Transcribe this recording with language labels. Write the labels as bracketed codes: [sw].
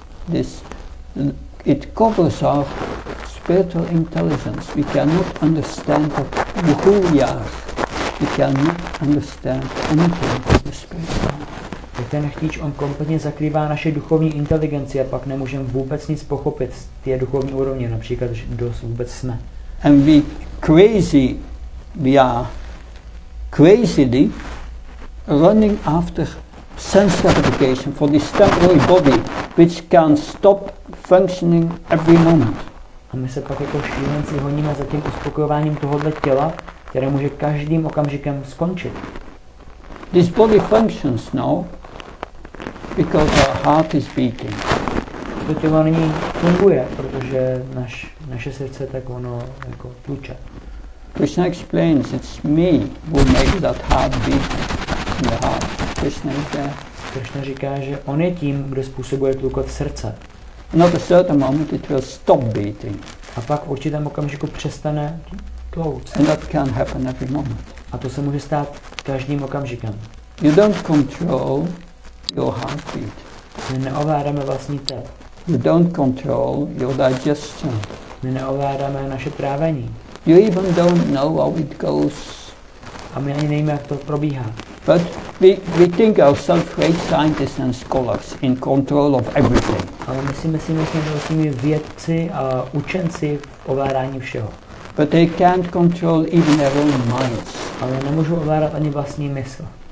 [en] This, it covers our spiritual intelligence. We cannot understand who we are. We cannot understand anything of the spirit. [cs] Tak ten chtíč, on kompletně zakrývá naše duchovní inteligenci a pak nemůžeme vůbec nic pochopit z té duchovní úrovně, například, že dost vůbec jsme. [en] And we crazy, we are crazily running after sense gratification for this temporary body, which can stop functioning every moment. [cs] A my se pak jako šílenci honíme za tím uspokojováním tohohle těla, které může každým okamžikem skončit. [en] This body functions now, because our heart is beating. [cs] To tělo nyní funguje, protože naše srdce tak ono jako tluče. [en] Krishna explains, it's me who makes that heart beat in the heart. Krishna is there. [cs] Krishna říká, že on je tím, kdo způsobuje tlukot srdce. [en] And at a certain moment it will stop beating. [cs] A pak v určitém okamžiku přestane tlouct. [en] And that can happen every moment. [cs] A to se může stát každým okamžikem. [en] You don't control your heartbeat. [cs] My neovládáme vlastní tep. [en] You don't control your digestion. [cs] My neovládáme naše trávení. [en] You even don't know how it goes. [cs] A my ani nevíme, jak to probíhá. [en] But we think ourselves great scientists and scholars in control of everything. [cs] Ale my si myslíme, že jsme vlastními vědci a učenci v ovládání všeho. [en] But they can't control even their own minds. [cs] Ale nemůžou ovládat ani vlastní mysl.